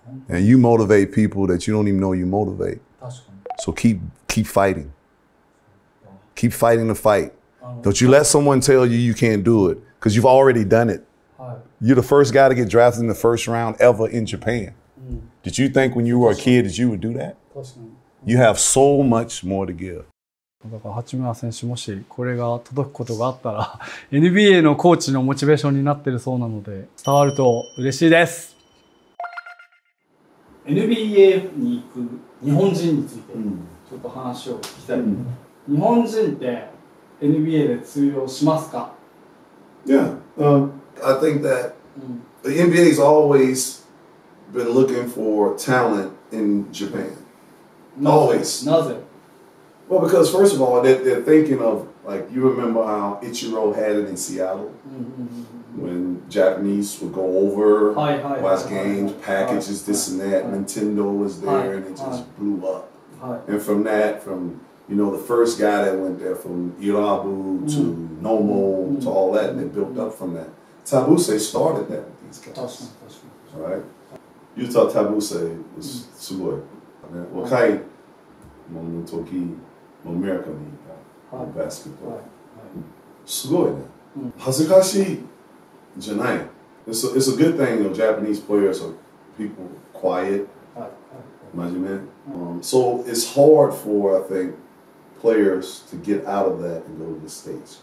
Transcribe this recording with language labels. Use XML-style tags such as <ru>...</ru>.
<en>And you motivate people that you don't even know you motivate. So keep fighting. Keep fighting the fight. Don't you let someone tell you you can't do it, because you've already done it. You're the first guy to get drafted in the first round ever in Japan. Did you think when you were a kid that you would do that? You have so much more to give.</en> <ja>だから八村選手もしこれが届くことがあったら NBA のコーチのモチベーションになってるそうなので伝わると嬉しいです。 NBA に行く日本人についてちょっと話を聞きたい、うん、日本人って NBA で通用しますか？</ja> <en>Yeah, I think that the NBA has always been looking for talent in Japan. Always.</en> <ja>なぜ？</ja> <en>Well, because first of all, they're thinking of, like, you remember how Ichiro had it in Seattle? Mm-hmm. When Japanese would go over, watch games, packages, this and that. Nintendo was there, and it just blew up. And from that, from, you know, the first guy that went there, from Irabu to Nomo to all that, and it built up from that. Tabuse started that with these guys. That's right. That's right. Utah Tabuse was super. Wakai, Momotoki.</en> <ja>アメリカに行った、バスケットすごいね、恥ずかしいじゃない。</ja> <en>It's a good thing, you know, Japanese players are people quiet, 真面目、So it's hard for, I think, players to get out of that and go to the States.</en>